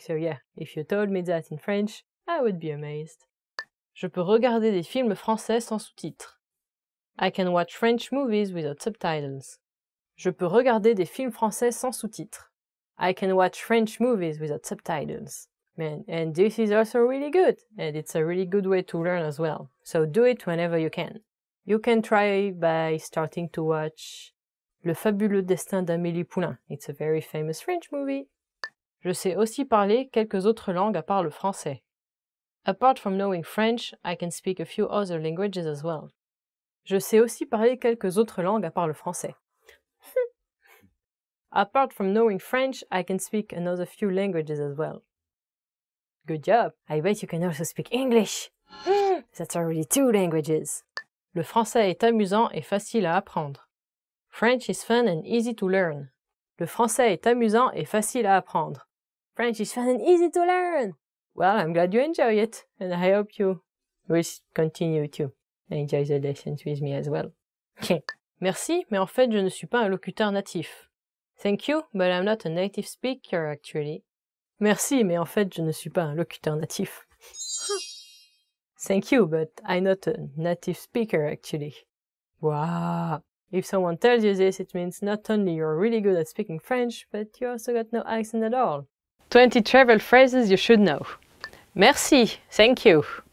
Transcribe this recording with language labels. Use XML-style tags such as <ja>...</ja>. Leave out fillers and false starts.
<en>So yeah, if you told me that in French, I would be amazed.</en> <fr>Je peux regarder des films français sans sous-titres.</fr> <en>I can watch French movies without subtitles.</en> <fr>Je peux regarder des films français sans sous-titres.</fr> <en>I can watch French movies without subtitles. Man, and this is also really good, and it's a really good way to learn as well. So do it whenever you can. You can try by starting to watch Le fabuleux destin d'Amélie Poulain. It's a very famous French movie.</en> <fr>Je sais aussi parler quelques autres langues à part le français.</fr> <en>Apart from knowing French, I can speak a few other languages as well.</en> <fr>Je sais aussi parler quelques autres langues à part le français.</fr> <en>Apart from knowing French, I can speak another few languages as well. Good job! I bet you can also speak English! That's already two languages!</en> <fr>Le français est amusant et facile à apprendre.</fr> <en>French is fun and easy to learn.</en> <fr>Le français est amusant et facile à apprendre.</fr> <en>French is fun and easy to learn! Well, I'm glad you enjoy it, and I hope you will continue to enjoy the lessons with me as well.</en> <fr>Merci, mais en fait, je ne suis pas un locuteur natif.</fr> <en>Thank you, but I'm not a native speaker, actually.</en> <fr>Merci, mais en fait, je ne suis pas un locuteur natif.</fr> <en>Thank you, but I'm not a native speaker, actually. Wow. If someone tells you this, it means not only you're really good at speaking French, but you also got no accent at all. 20 travel phrases you should know. Merci. Thank you.</en>